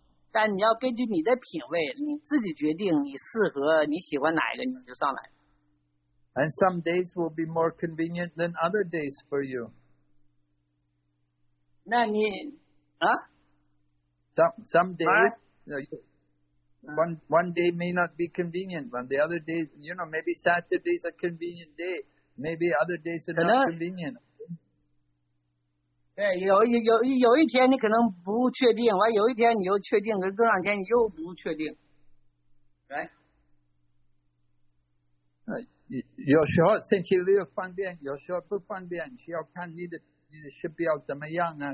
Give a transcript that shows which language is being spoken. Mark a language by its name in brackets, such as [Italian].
[Chinese] 但你要根据你的品味，你自己决定你适合你喜欢哪一个，你就上来。 [English] And some days will be more convenient than other days for you. [Chinese] 那你啊 [English] ？Some days.、One day may not be convenient, but the other days, you know, maybe Saturday is a convenient day. Maybe other days are not convenient. [Chinese] 对，有一天你可能不确定，完有一天你又确定，可是这两天你又不确定。 [English] Right? [Chinese] 有时候星期六方便，有时候不方便，需要看你的时表怎么样啊？